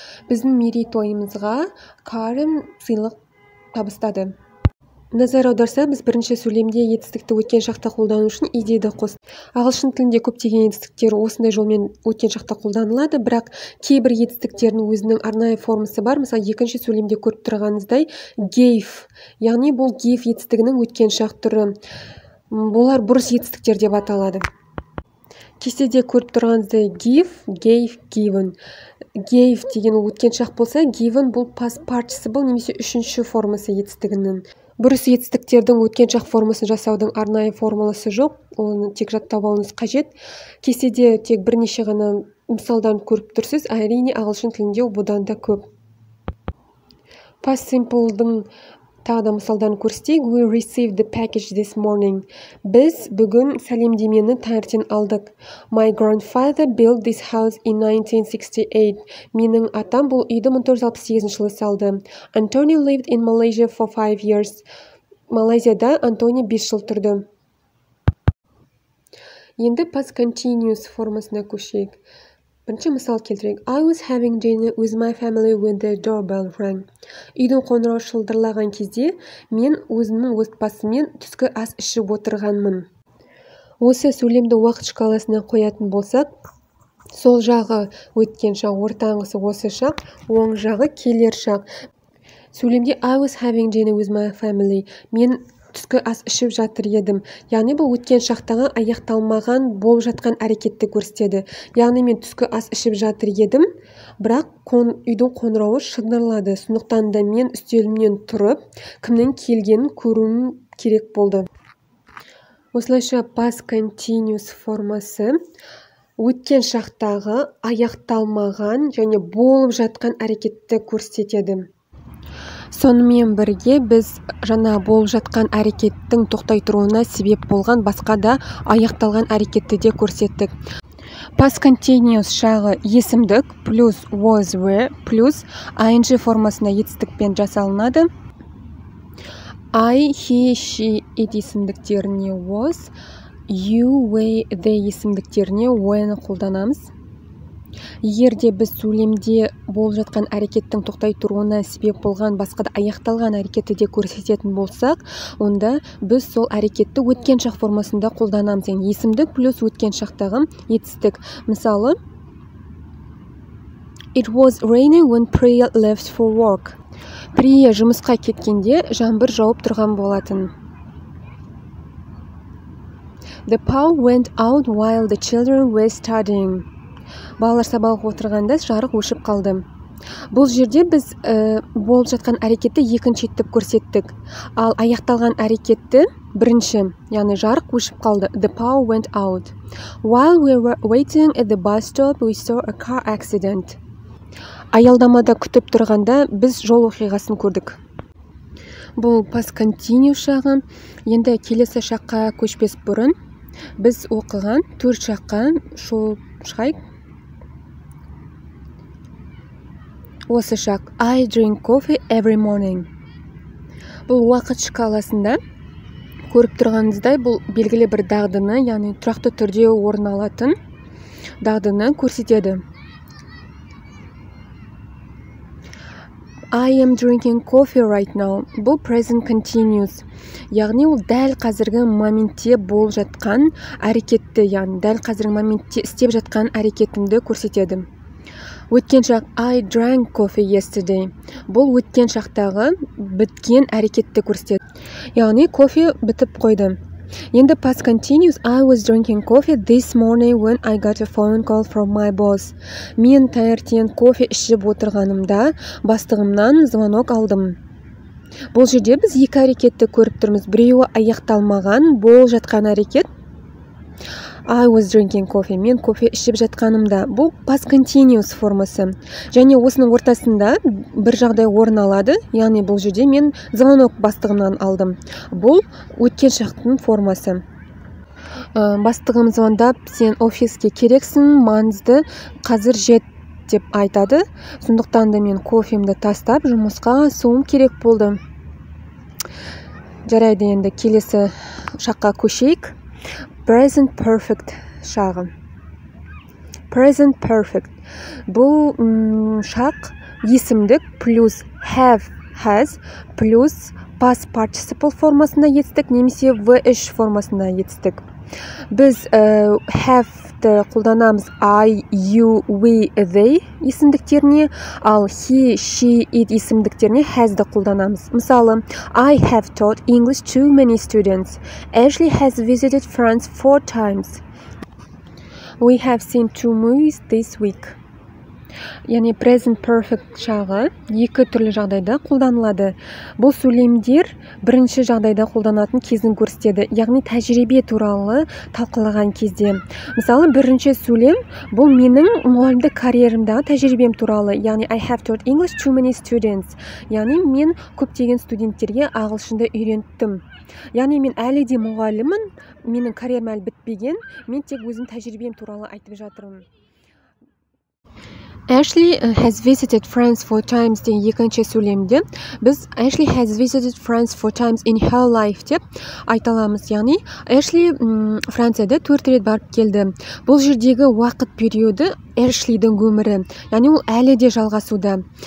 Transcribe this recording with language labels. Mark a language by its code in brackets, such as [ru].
[kk] Біздің мерейтойымызға Karen сыйлық табыстады. Назар аударса, біз бірінші сөйлемде етістікті өткен шақта қолдану үшін идейді қос. Ағылшын тілінде көптеген етістіктер осындай жолмен өткен шақта қолданылады, бірақ кейбір етістіктердің өзінің арнайы формасы бар. Мысалы, екінші сөйлемде көріп тұрғаныңыздай gave, яғни бұл gave етістігінің өткен шақ түрі. Бұлар бұрыс етістіктер деп аталады. Кестеде көріп тұрғаныңыздай give, gave, given. Gave деген өткен шақ болса, given бұл past participle немесе үшінші формасы етістігінің. Бұрыс етістіктердің өткен шақ формасын жасаудың арнайы формуласы жоқ, оны тек жаттап алуыңыз қажет. Кестеде тек бірнеше ғана мысалдан көріп тұрсыз, әрине ағылшын тілінде бұдан да көп. Past simple-дың тағы да мысалдан көрсетейік. [en] We received the package this morning. [kk] Біз бүгін сәлемдемені таңертең алдық. [en] My grandfather built this house in 1968. [kk] Менің атам бұл үйді 1468 жылы салды. [en] Antonio lived in Malaysia for 5 years. [kk] Малайзияда Антонио 5 жыл тұрды. Енді past continuous формасына көшейік. Бірінші мысал келтірейік. [en] I was having dinner with my family when the doorbell rang. [kk] Үйдің қоңырау шылдырлаған кезде мен өзімнің отбасыммен түскі ас ішіп отырғанмын. Осы сөйлемді уақыт шкаласына қоятын болсақ, сол жағы өткен шақ, ортаңғысы осы шақ, оң жағы келер шақ. [en] Сөйлемде I was having dinner with my family. [kk] Мен түскі ас ішіп жатыр едім. Яғни бұл өткен шақтағы аяқталмаған болып жатқан әрекетті көрсетеді. Яғни мен түскі ас ішіп жатыр едім, бірақ үйдің қоңырауы шыңдырлады. Сондықтан да мен үстелімнен тұрып, кімнің келгенін көруім керек болды. Осылайша past continuous формасы өткен шақтағы аяқталмаған және болып жатқан әрекетті көрсетеді. Сонымен бірге біз жаңа болып жатқан әрекеттің тоқтай тұруына себеп болған басқа да аяқталған әрекетті де көрсеттік. Past continuous шағы есімдік плюс was were плюс ing формасына етістікпен жасалынады. I, he, she, it есімдіктеріне was, you, we, they есімдіктеріне when қолданамыз. Егер де біз сөйлемде болып жатқан әрекеттің тоқтай тұруына себеп болған басқа да аяқталған әрекетті де көрсететін болсақ, онда біз сол әрекетті өткен шақ формасында қолданамыз. Есімдік плюс өткен шақтағы етістік. [en] Мысалы, It was raining when Priya left for work. [kk] Priya жұмысқа кеткенде жаңбыр жауып тұрған болатын. [en] The power went out while the children were studying. [kk] Балалар сабақ отырғанда жарық өшіп қалды. Бұл жерде біз болып жатқан әрекетті екінші етіп көрсеттік. Ал аяқталған әрекетті бірінші, яғни жарық өшіп қалды. [en] The power went out. While we were waiting at the bus stop, we saw a car accident. [kk] Аялдамада күтіп тұрғанда біз жол оқиғасын көрдік. Бұл past continuous шағы. Енді келесі шаққа көшпес бұрын біз оқыған төрт шаққа шығайық. Осы шақ, [en] I drink coffee every morning. [kk] Бұл уақыт шкаласында көріп тұрғаныңыздай, бұл белгілі бір дағдыны, яғни тұрақты түрде орын алатын дағдыны көрсетеді. [en] I am drinking coffee right now. Бұл present continuous. [kk] Яғни ол дәл қазіргі моментте бол жатқан әрекетті, яғни дәл қазіргі моментте істеп жатқан әрекетімді көрсетеді. Өткен шақ, [en] I drank coffee yesterday. [kk] Бұл өткен шақтағы біткен әрекетті көрсетеді. Яғни кофе бітіп қойды. [en] Енді past continuous, I was drinking coffee this morning when I got a phone call from my boss. [kk] Мен таңертең кофе ішіп отырғанымда бастығымнан звонок алдым. Бұл жерде біз екі әрекетті көріп тұрмыз. Біреуі аяқталмаған, бол жатқан әрекет. [en] I was drinking coffee. [kk] Мен кофе ішіп жатқанымда. Бұл past continuous формасы. Және осының ортасында бір жағдай орын алады. Яғни бұл жерде мен звонок бастығымнан алдым. Бұл өткен шақтың формасы. Бастығым звондап, сен офиске керексің, маңызды, қазір жет деп айтады. Сондықтан да мен кофемді тастап, жұмысқа суым керек болды. Жарайды, енді келесі шаққа көшейік. [en] Present perfect шағы. Present perfect. [kk] Бұл шақ есімдік плюс have, has, плюс past participle формасында етістік, немесе VH формасында етістік. Біз have-ті қолданамыз I, you, we, they есімдіктеріне, ал he, she, it есімдіктеріне has-ді қолданамыз. [en] Мысалы, I have taught English to many students. Ashley has visited France 4 times. We have seen 2 movies this week. [kk] Яғни present perfect шағы екі түрлі жағдайда қолданылады. Бұл сөйлемдер бірінші жағдайда қолданатын кезін көрсетеді, яғни тәжірибе туралы талқылаған кезде. Мысалы, бірінші сөйлем бұл менің мұғалімдік карьерімдегі тәжірибем туралы, яғни [en] I have taught English to many students. [kk] Яғни мен көптеген студенттерге ағылшынды үйреттім. Яғни мен әлі де мұғаліммін, менің карьерім әлі бітпеген, мен тек өзім тәжірибем туралы айтып жатырмын. [en] Ashley has visited France 4 times [kk] деген екінші сөйлемде. [en] Біз Ashley has visited France 4 times in her life [kk] деп айталамыз. Яғни, Ashley Францияда 4 рет барып келді. Бұл жердегі уақыт периоды Ashley-дің өмірі. Яғни, ол әлі де жалғасуда.